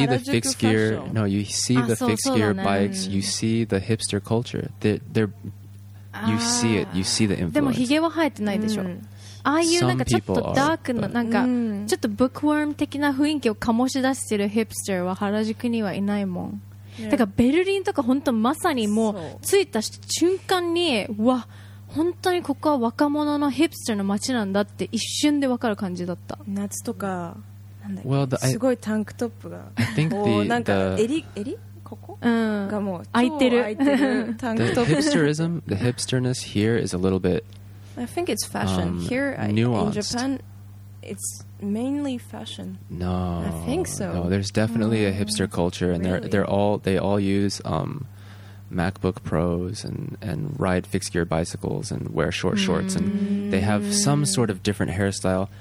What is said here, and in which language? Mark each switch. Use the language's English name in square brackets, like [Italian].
[English] fixed gear no you see the fixed gear bikes you see the hipster culture they're you see it you see the influence [Japanese] でもヒゲは生えてないでしょ、うんああいうなんかちょっとダークななんかちょっとブックワーム的な雰囲気を醸し出してるヒプスターは原宿にはいないもん、yeah. だからベルリンとか本当まさにもう着いた瞬間にわ本当にここは若者のヒプスターの街なんだって一瞬で分かる感じだった夏とかなんだっけ、well, すごいタンクトップがなんか襟ここがもう空いてるタンクトップ [English] the hipsterism the hipsterness here is a little bit I think it's fashion. Here in Japan, it's mainly fashion. No. I think so. No, there's definitely a hipster culture, and really? they all use MacBook Pros and ride fixed gear bicycles and wear short shorts, and they have some sort of different hairstyle.